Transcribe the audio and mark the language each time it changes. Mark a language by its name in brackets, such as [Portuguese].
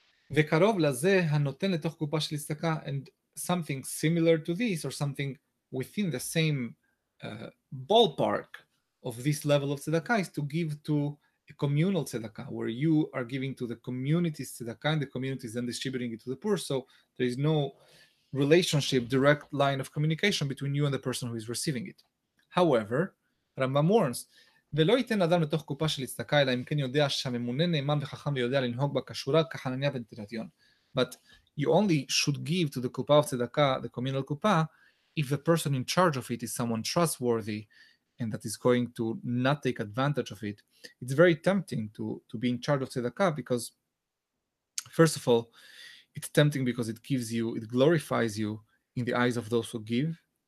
[Hebrew] וקרוב לזה הנותן לתוך קופה של צדקה, [English] and something similar to this, or something within the same ballpark of this level of tzedakah, is to give to a communal tzedakah, where you are giving to the community's tzedakah, and the community is then distributing it to the poor, so there is no relationship, direct line of communication between you and the person who is receiving it. However, Rambam warns, [Hebrew] ולא ייתן אדם לתוך קופה של צדקה, אלא אם כן יודע שהממונה נאמן וחכם ויודע לנהוג בה כשורה, כחנניה ונתנתיון. [English] But you only should give to the קופה of צדקה, the communal קופה, if the person in charge of it is someone trustworthy and that is going to not take advantage of it. It's very tempting to be in charge of צדקה because, first of all, it's tempting because it gives you, it glorifies you in the eyes of those who give.